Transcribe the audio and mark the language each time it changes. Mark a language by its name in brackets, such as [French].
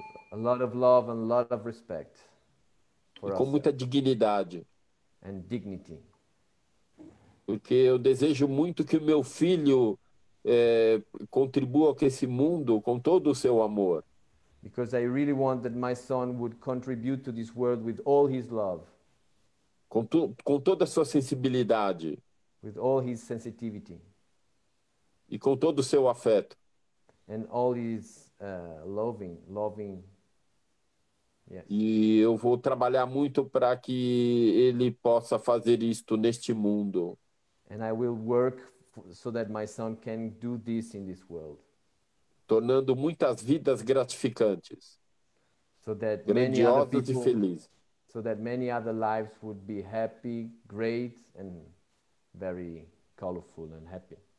[English] A lot of love and a lot of respect. [Portuguese] Com muita dignidade. [English] And dignity. [Portuguese] Porque eu desejo muito que o meu filho contribua com esse mundo com todo o seu amor. [English] Because I really want that my son would contribute to this world with all his love. [Portuguese] Com toda a sua sensibilidade. [English] With all his sensitivity. [Portuguese] E com todo o seu afeto. [English] And all his loving. Yes. [Portuguese] E eu vou trabalhar muito para que ele possa fazer isto neste mundo. [English] And I will work so that my son can do this in this world. [Portuguese] Tornando muitas vidas gratificantes. [English] So that [Portuguese] grandiosas [English] many other people, [Portuguese] e felizes. [English] So that many other lives would be happy, great and very colorful and happy.